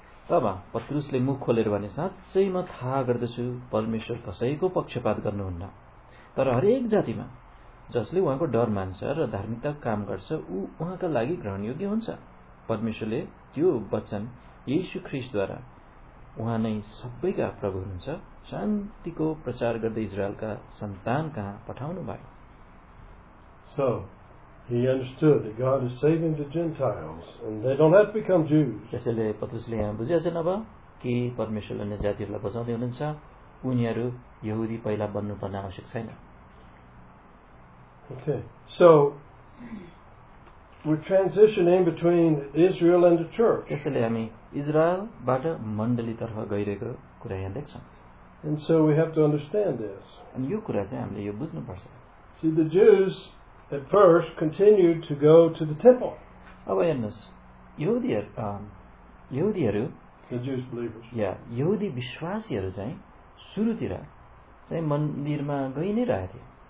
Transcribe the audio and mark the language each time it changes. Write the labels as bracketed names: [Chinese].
[Nepali] तब पत्रुसले मुख खोलेर भने साँच्चै म थाहा गर्दछु परमेश्वर कसैको पक्षपात गर्नुहुन्न, तर हरेक जातिमा जसले उहाँको डर मान्छ र धार्मिकता काम गर्छ ऊ उहाँका लागि ग्रहणयोग्य हुन्छ. परमेश्वरले त्यो वचन येशु ख्रिस्टद्वारा उहाँ नै सबैका प्रभु हुनुहुन्छ शान्तिको प्रचार गर्दै इजरायलका सन्तान कहाँ पठाउनु भयो. [English] So he understood that God is saving the Gentiles and they don't have to become Jews. [Nepali] त्यसैले पत्रुसले यहाँ बुझिएछन् अब कि परमेश्वरले अन्य जातिहरूलाई बचाउँदै हुनुहुन्छ, उनीहरू यहुदी पहिला बन्नुपर्ने आवश्यक छैन. [English] Okay, so we're transitioning between Israel and the church. [Nepali] त्यसैले हामी इजरायलबाट मण्डलीतर्फ गइरहेको कुरा यहाँ देख्छौँ. [English] And so we have to understand this. [Nepali] अनि यो कुरा चाहिँ हामीले यो बुझ्नुपर्छ. [English] See, the Jews at first continued to go to the temple. [Nepali] अब हेर्नुहोस् यहुदीहरू [English] the Jewish believers. [Nepali] Yeah, यहुदी विश्वासीहरू चाहिँ सुरुतिर चाहिँ मन्दिरमा गइ नै रहे थिए.